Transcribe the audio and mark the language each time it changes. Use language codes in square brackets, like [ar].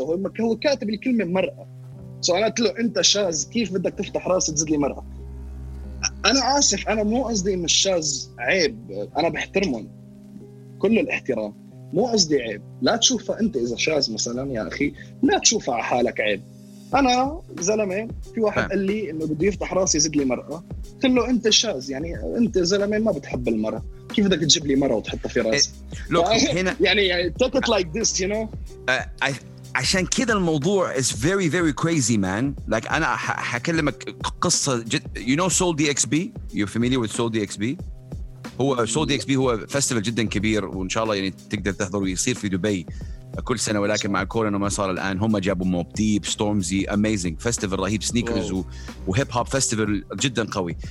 [ar] هو كاتب الكلمة مرأة. سو أنا قلت له أنت شاز، كيف بدك تفتح راس تزد لي مرأة؟ أنا آسف، أنا مو قصدي مش شاز عيب، أنا بحترمهم كل الاحترام، مو قصدي عيب. لا تشوفها أنت إذا شاز مثلا يا أخي، لا تشوفها على حالك عيب. أنا زلمة، في واحد قال لي إنه بده يفتح راسي يزد لي مرأة، قلت له أنت شاز يعني، أنت زلمة ما بتحب المرأة، كيف بدك تجيب لي مرة وتحطها في راسي؟ لوك هنا يعني [en] talk it like this you know. [ar] عشان كده الموضوع [en] is very very crazy man. like [ar] أنا هكلمك قصة جد. [en] you know Soul DXB؟ you familiar with Soul DXB؟ [ar] هو سودي اكس بي هو فيستيفال جدا كبير وان شاء الله يعني تقدر تحضر ويصير في دبي كل سنه, ولكن مع كورونا ما صار الان. هم جابوا موب ديب ستورمزي اميزنج فيستيفال رهيب سنيكرز وهيب هوب فيستيفال جدا قوي.